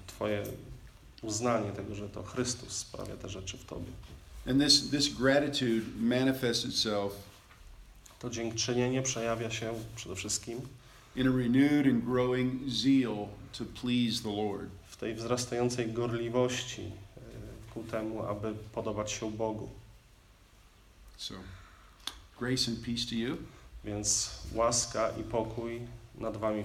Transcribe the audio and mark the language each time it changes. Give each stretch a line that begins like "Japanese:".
Polish: Twoje uznanie tego, że to Chrystus sprawia te rzeczy w tobie.
English: And this gratitude manifests itself.
Polish: To dziękczynienie przejawia się przede wszystkim
English: in a renewed and growing zeal to please the Lord.
Polish: W tej wzrastającej gorliwości temu, aby podobać się Bogu.
English: So, grace and peace to you.
Polish: Więc łaska i pokój nad wami wszystkimi.